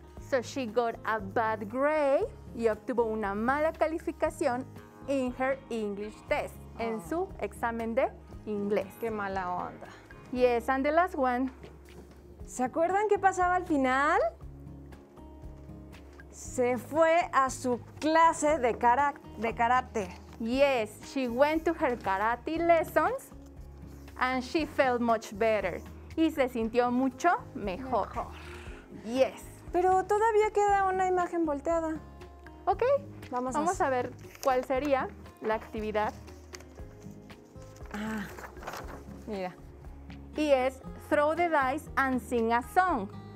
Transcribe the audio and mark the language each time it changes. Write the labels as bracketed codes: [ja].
[en] So she got a bad grade [es] y obtuvo una mala calificación [en] in her English test, [es] en su examen de inglés. ¡Qué mala onda! [en] Yes, and the last one. [es] ¿Se acuerdan qué pasaba al final? Se fue a su clase de karate. [en] Yes, she went to her karate lessons and she felt much better. [es] Y se sintió mucho mejor. Yes. Pero todavía queda una imagen volteada. [en] Ok. [es] Vamos a ver cuál sería la actividad. Ah, mira. Y es [en] throw the dice and sing a song.